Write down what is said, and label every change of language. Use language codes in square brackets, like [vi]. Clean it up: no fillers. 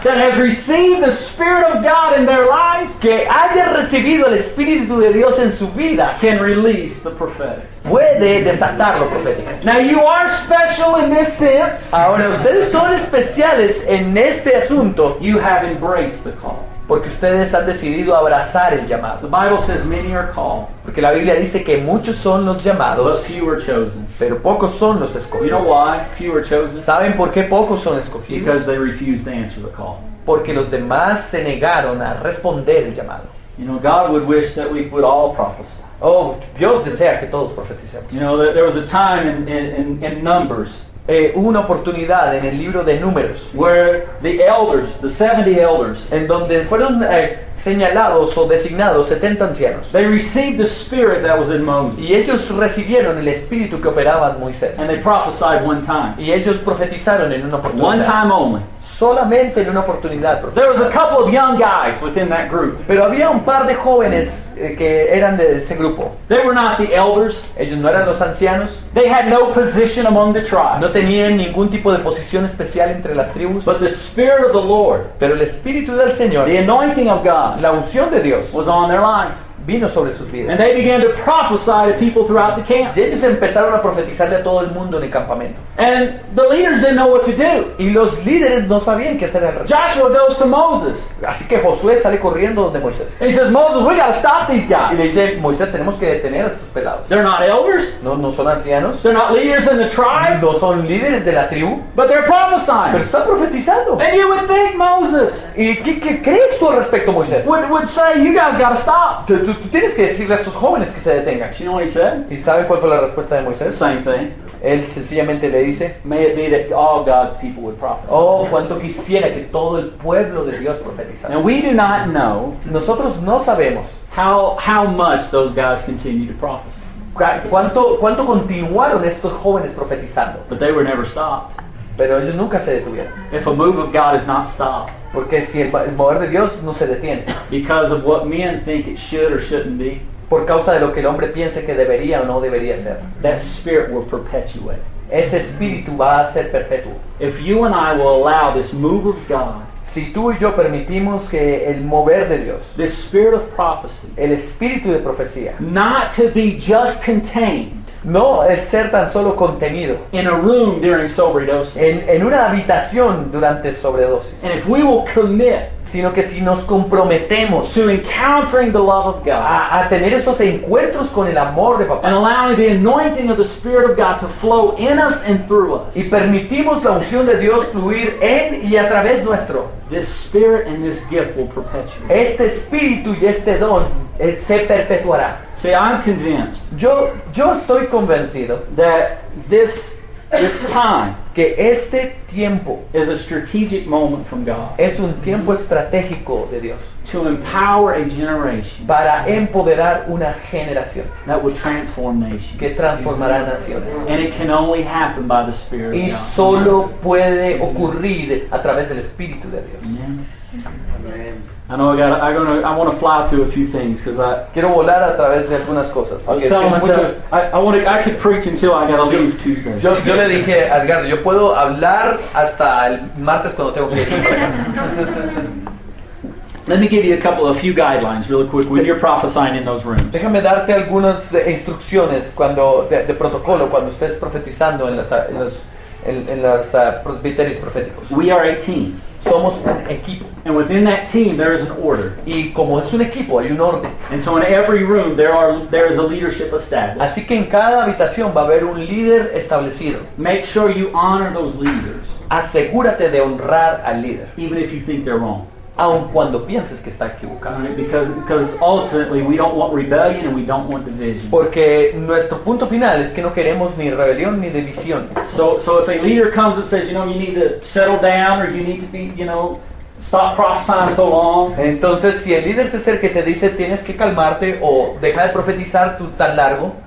[en] that has received the Spirit of God in their life, [es] que haya recibido el Espíritu de Dios en su vida, [en] can release the prophetic. [es] Puede desatar lo profético. [en] Now you are special in this sense. [es] Ahora ustedes son especiales en este asunto. [en] You have embraced the call. [es] Porque ustedes han decidido abrazar el llamado. [en] The Bible says many are called. [es] Porque la Biblia dice que muchos son los llamados. [en] But few are chosen. [es] Pero pocos son los escogidos. [en] You know why few are chosen? [es] ¿Saben por qué pocos son escogidos? [en] Because they refused to answer the call. [es] Porque los demás se negaron a responder el llamado. [en] You know, God would wish that we would all prophesy. [es] Oh, Dios desea que todos profeticemos. [en] You know, there was a time in Numbers, [es] una oportunidad en el libro de Números, [en] where the elders, the 70 elders, [es] en donde fueron señalados o designados 70 ancianos. [en] They received the spirit that was in Moses. [es] Y ellos recibieron el espíritu que operaba en Moisés. [en] And they prophesied one time. [es] Y ellos profetizaron en una oportunidad. [en] One time only. [es] Solamente en una oportunidad. [en] There was a couple of young guys within that group. [es] Pero había un par de jóvenes que eran de ese grupo. [en] They were not the elders. [es] Ellos no eran los ancianos. [en] They had no position among the tribes. [es] No tenían ningún tipo de posición especial entre las tribus. [en] But the spirit of the Lord, [es] pero el espíritu del Señor, [en] the anointing of God, [es] la unción de Dios, [en] was on their line. [es] Vino sobre sus vidas. [en] And they began to prophesy to people throughout the camp. [es] Y ellos empezaron a profetizarle a todo el mundo en el campamento. [en] And the leaders didn't know what to do. [es] Y los líderes no sabían qué hacer. [en] Joshua goes to Moses. [es] Así que Josué sale corriendo donde Moisés. [en] And he says, Moses, we gotta stop these guys. [es] Y le dice, Moisés, tenemos que detener a estos pelados. [en] They're not elders. [es] No son ancianos. [en] They're not leaders in the tribe. [es] No son líderes de la tribu. [en] But they're prophesying. [es] Pero están profetizando. [en] And you would think, Moses, [es] ¿y qué crees tú al respecto, Moisés? [en] Would say, you guys gotta stop. [es] Tú tienes que decirle a estos jóvenes que se detengan. [en] You know what he said? [es] ¿Y sabe cuál fue la respuesta de Moisés? [en] Same thing. [es] Él sencillamente le dice, [en] may it be that all God's people would prophesy. [es] Oh, cuánto quisiera que todo el pueblo de Dios profetizara. [en] Now we do not know. [es] Nosotros no sabemos [en] how much those guys continue to prophesy. [es] ¿Cuánto continuaron estos jóvenes profetizando? [en] But they were never stopped. [es] Pero ellos nunca se detuvieron. [en] If a move of God is not stopped. [es] Porque si el mover de Dios no se detiene. [en] Because of what men think it should or shouldn't be. [es] Por causa de lo que el hombre piense que debería o no debería ser. [en] That spirit will perpetuate. [es] Ese espíritu va a ser perpetuo. [en] If you and I will allow this move of God. [es] Si tú y yo permitimos que el mover de Dios. [en] The spirit of prophecy. [es] El espíritu de profecía. [en] Not to be just contained. [es] No el ser tan solo contenido. [en] In a room during sobredosis. [es] En una habitación durante sobredosis. [en] And if we will commit, [es] sino que si nos comprometemos, [en] to encountering the love of God, [es] a tener estos encuentros con el amor de papá, [en] and allowing the anointing of the Spirit of God to flow in us and through us, [es] y permitimos la unción de Dios fluir en y a través nuestro, [en] this spirit and this gift will perpetuate. [es] Este espíritu y este don se perpetuará. [en] See, I'm convinced. [es] Yo estoy convencido [en] that this time, [es] que este tiempo [en] is a strategic moment from God. [es] Es un tiempo estratégico de Dios. [en] to empower a generation [es] para empoderar una generación [en] that will transform nations. [es] Que transformará naciones. [en] And it can only happen by the Spirit [es] y [en] of God. [es] Y solo puede ocurrir a través del Espíritu de Dios. [en] Amen. I know I want to fly through a few things because I [es] quiero volar a través de algunas cosas. [en] I could preach until I gotta leave Tuesday. [es] Yo le dije a Edgardo, yo puedo hablar hasta el martes cuando tengo que ir. [en] Let me give you a few guidelines really quick when you're prophesying in those rooms. [es] Déjame darte algunas instrucciones cuando de protocolo cuando estés profetizando en los presbiterios proféticos. [en] We are a team. [es] Somos un equipo. [en] And within that team, there is an order. [es] Y como es un equipo, hay un orden. [en] And so in every room, there is a leadership established. [es] Así que en cada habitación va a haber un líder establecido. [en] Make sure you honor those leaders. [es] Asegúrate de honrar al líder. [en] Even if you think they're wrong. [es] Aun cuando pienses que está equivocado. [en] Right? Because ultimately, we don't want rebellion and we don't want division. [es] Porque nuestro punto final es que no queremos ni rebelión ni división. [en] So if a leader comes and says, you know, you need to settle down or you need to be, you know, stop prophesying so long. [es] Entonces, si el líder se acerca y te dice, tienes que calmarte o deja de profetizar tú tan largo.